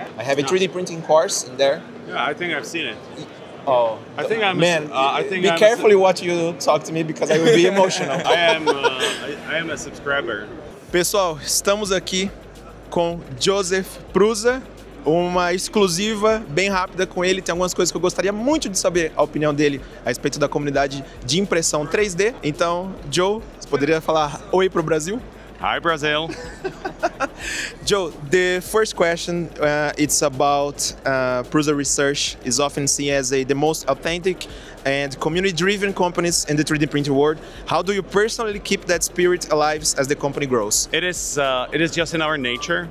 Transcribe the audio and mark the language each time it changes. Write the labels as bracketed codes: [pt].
[en] I have a 3D printing course in there. Yeah, I think I've seen it. Oh, I think I'm. Man, I think be I'm carefully what you talk to me because I will be emotional. I am a subscriber. [pt] Pessoal, estamos aqui com Josef Prusa, uma exclusiva bem rápida com ele. Tem algumas coisas que eu gostaria muito de saber a opinião dele a respeito da comunidade de impressão 3D. Então, Joe, você poderia falar oi pro Brasil? [en] Hi, Brazil. Joe, the first question, it's about Prusa Research is often seen as the most authentic and community-driven companies in the 3D printing world. How do you personally keep that spirit alive as the company grows? It is just in our nature.